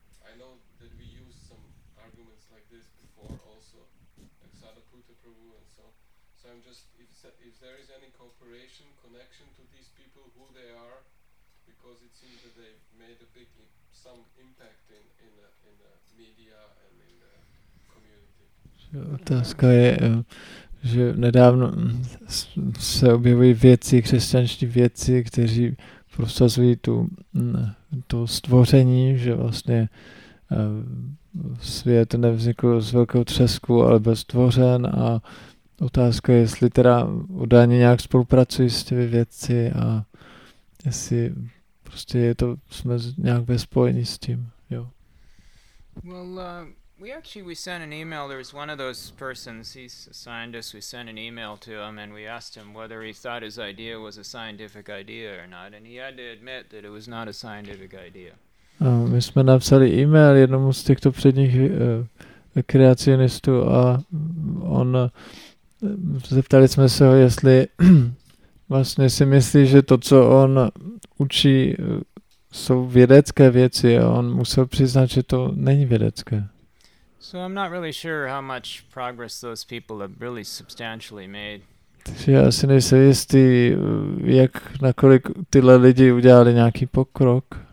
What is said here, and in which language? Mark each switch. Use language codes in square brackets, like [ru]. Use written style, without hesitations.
[en] I know that we used some arguments like this before also, like Sadaputa Prabhu and so. So I'm just, if there is any cooperation, connection to these people, who they are, because it seems that they made a big, some impact in the media and in the community. [cs] Otázka je, že nedávno se objevují vědci, křesťanští vědci, kteří prosazují to stvoření, že vlastně svět nevznikl z velkého třesku, ale byl stvořen, a otázka je, jestli teda údajně nějak spolupracují s těmi vědci a jestli prostě je to, jsme nějak ve spojení s tím, jo. [en] Well, We sent an email. There was one of those persons, he's a scientist. We sent an email to him and we asked him whether he thought his idea was a scientific idea or not, and he had to admit that it was not a scientific idea. [cs] My jsme napsali email jednomu z těchto předních kreacionistů a on zeptali jsme se ho, jestli vlastně si myslí, že to, co on učí, jsou vědecké věci, a on musel přiznat, že to není vědecké. [en] So I'm not really sure how much progress those people have really substantially made. [cs] Já si nejsem jistý, jak nakolik tyhle lidi udělali nějaký pokrok.